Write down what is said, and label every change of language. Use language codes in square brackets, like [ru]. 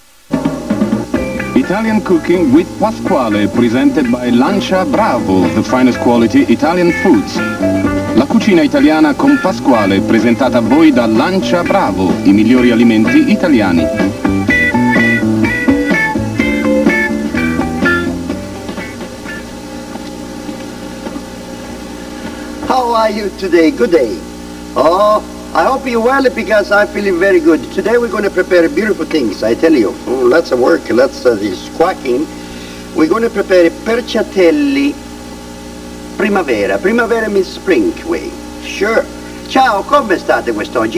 [en] Italian Cooking with Pasquale, presented by Lancia Bravo, the finest quality Italian foods. [it] La cucina italiana con Pasquale, presentata a voi da Lancia Bravo, i migliori alimenti italiani. [en] How are you today? Good day. Oh, I hope you're well because I'm feeling very good. Today we're going to prepare beautiful things, I tell you. Oh, lots of work, lots of this squawking. We're going to prepare perciatelli primavera. Primavera means spring way. Sure. [it] Ciao, come state quest'oggi?